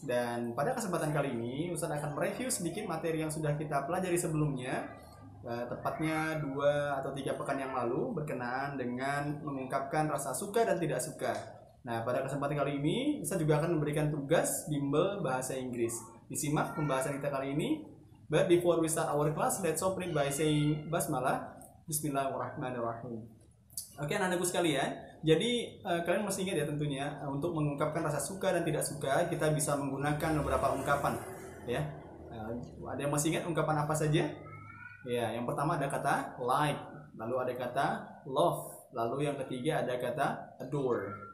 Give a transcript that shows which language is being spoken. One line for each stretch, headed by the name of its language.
Indonesian: Dan pada kesempatan kali ini Ustadz akan mereview sedikit materi yang sudah kita pelajari sebelumnya, tepatnya 2 atau 3 pekan yang lalu, berkenaan dengan mengungkapkan rasa suka dan tidak suka. Nah, pada kesempatan kali ini Ustadz juga akan memberikan tugas bimbel bahasa Inggris. Disimak pembahasan kita kali ini.
English: But before we start our class, let's open it by saying basmalah.
Indonesian: Bismillahirrahmanirrahim. Oke, anak-anakku sekalian. Jadi, kalian masih ingat ya tentunya, untuk mengungkapkan rasa suka dan tidak suka, kita bisa menggunakan beberapa ungkapan. Ya. Ada yang masih ingat ungkapan apa saja? Ya, yang pertama ada kata like, lalu ada kata love, lalu yang ketiga ada kata adore.